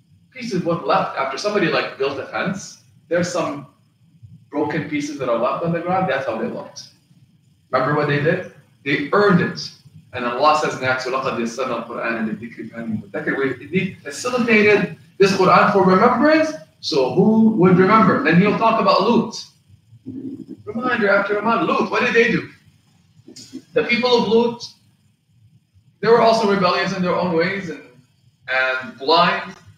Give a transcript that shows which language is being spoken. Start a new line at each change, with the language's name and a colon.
English: Pieces of wood left after somebody like built a fence. There's some broken pieces that are left on the ground. That's how they looked. Remember what they did? They earned it. And Allah says next,
Arabic: وَلَقَدْ يَسَّرْنَا الْقُرْآنَ لِلذِّكْرِ فَهَلْ مِن مُدَّكِرٍ.
English: We facilitated this Quran for remembrance. So who would remember? Then he'll talk about Lut. Reminder after reminder. Lut, what did they do? The people of Lut, they were also rebellious in their own ways and blind.